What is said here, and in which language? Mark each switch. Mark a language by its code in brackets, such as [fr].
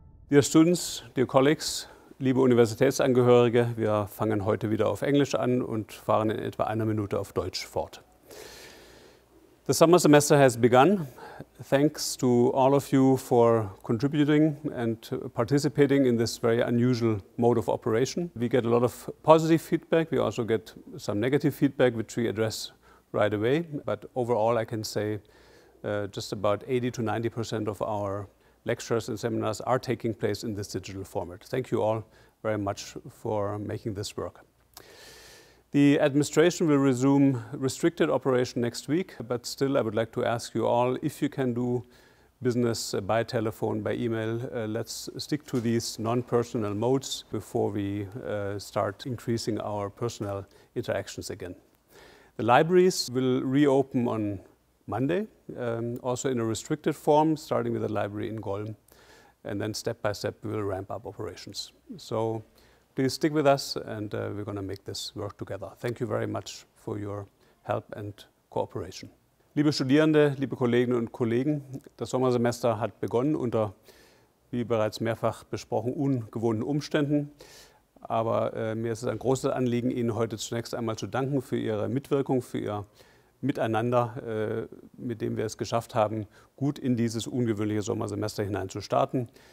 [en] Dear students, dear colleagues, [de] liebe Universitätsangehörige, wir fangen heute wieder auf Englisch an und fahren in etwa einer Minute auf Deutsch fort. [en] The summer semester has begun. Thanks to all of you for contributing and participating in this very unusual mode of operation. We get a lot of positive feedback. We also get some negative feedback, which we address right away. But overall, I can say just about 80% to 90% of our lectures and seminars are taking place in this digital format. Thank you all very much for making this work. The administration will resume restricted operation next week, but still I would like to ask you all, if you can do business by telephone, by email, let's stick to these non-personal modes before we start increasing our personal interactions again. The libraries will reopen on Monday, also in a restricted form, starting with the library in Golm, and then step by step we will ramp up operations. So please stick with us, and we're going to make this work together. Thank you very much for your help and cooperation. [de] Liebe Studierende, liebe Kolleginnen und Kollegen, das Sommersemester hat begonnen unter, wie bereits mehrfach besprochen, ungewohnten Umständen. Aber mir ist es ein großes Anliegen, Ihnen heute zunächst einmal zu danken für Ihre Mitwirkung, für Ihr Miteinander, mit dem wir es geschafft haben, gut in dieses ungewöhnliche Sommersemester hineinzustarten.